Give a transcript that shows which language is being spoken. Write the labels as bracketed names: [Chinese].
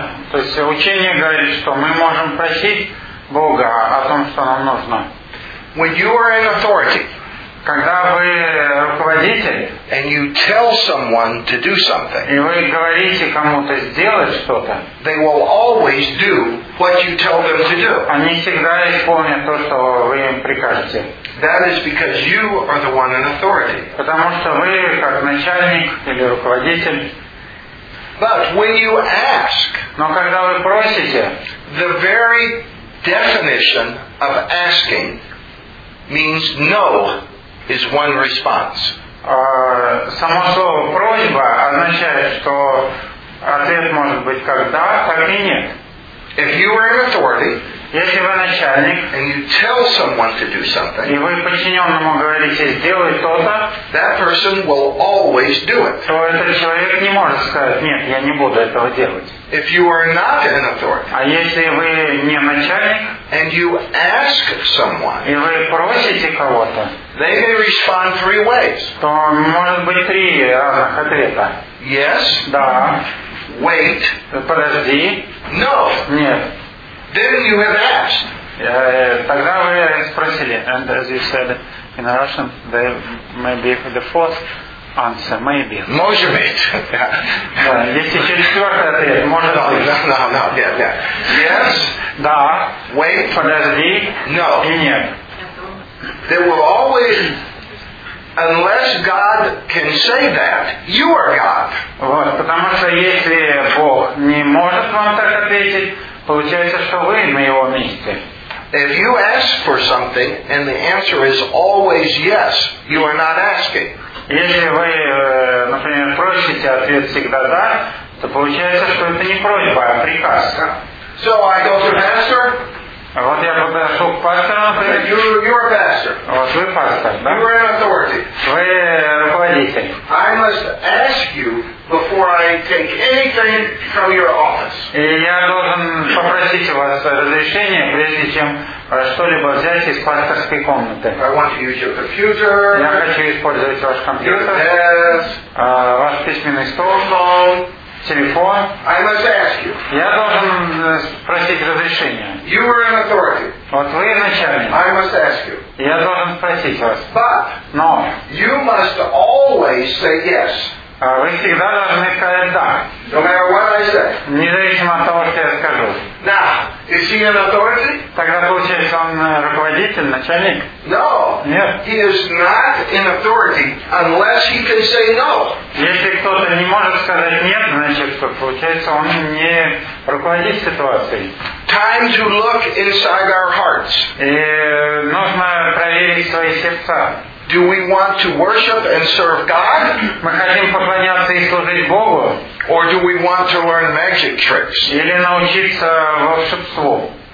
[Russian] То есть учение говорит, что мы можем просить Бога о том, что нам нужно. [English] When you are in authority, [Russian] когда вы руководитель, [English] and you tell someone to do something, [Russian] и вы говорите кому-то сделать что-то, [English] they will always do what you tell them to do. [Russian] Они всегда исполнят то, что вы им прикажете. [English] That is because you are the one in authority. [Russian] Потому что вы как начальник или руководитель. [English] But when you ask, [Russian] но когда вы просите, [English] the very definition of asking means no. Is one response. [Russian] Само слово просьба означает, что ответ может быть как да, так и нет. [English] If you are in authority, [Russian] если вы начальник, [English] and you tell someone to do something, [Russian] и вы подчиненному говорите сделай то-то, [English] that person will always do it. [Russian] То этот человек не может сказать нет, я не буду этого делать. [English] If you are not in authority, [Russian] а если вы не начальник, [English] and you ask someone, [Russian] и вы просите кого-то, [English] they may respond three ways. [Russian] То может быть три разных ответа. [English] Yes. [Russian] Да. [English] Wait. [Russian] Подожди. [English] No. [Russian] Нет. [English] Then you have asked. [Russian] Тогда вы спросили. [English] And as you said in Russian, there may be the fourth answer. Maybe. [Russian] Может быть. Есть еще четвертый ответ. Может быть. [English] No. Yes. [Russian] Да. [English] Wait. [Russian] Подожди. [English] No. [Russian] И нет. [English] There will always, unless God can say that, you are God. [Russian] Вот, потому что если Бог не может вам так ответить, получается, что вы на его месте. [English] If you ask for something and the answer is always yes, you are not asking. [Russian] Если вы, например, просите, ответ всегда да, то получается, что это не просьба, а приказ. [English] So I go to pastor. [Russian] Вот я подошел к пастору, например. [English] You're a pastor. [Russian] Вот вы пастор, да? [English] You're in authority. [Russian] Вы руководитель. [English] I must ask you before I take anything from your office. [Russian] И я должен попросить у вас разрешения, прежде чем что-либо взять из пасторской комнаты. [English] I want to use your computer. [Russian] Я хочу использовать ваш компьютер. [English] Your desk. [Russian] Ваш письменный стол. [English] Телефон. I must ask you. [Russian] Я должен спросить разрешение. [English] You are in authority. [Russian] Вот вы начальник. [English] I must ask you. [Russian] Я должен спросить вас. [English] But no. You must always say yes. [Russian] Вы всегда должны сказать да. [English] No matter what I say. [Russian] Независимо от того, что я скажу. [English] Now, is he in authority? [Russian] Тогда получается, он руководитель, начальник? [English] No. [Russian] Нет. [English] He is not in authority unless he can say no. [Russian] Если кто-то не может сказать нет, значит, получается, он не руководит ситуацией. [English] Time to look inside our hearts. [Russian] И нужно проверить свои сердца. [English] Do we want to worship and serve God? [Russian] Мы хотим поклоняться и служить Богу? [English] Or do we want to learn magic tricks? [Russian] Или научиться волшебству?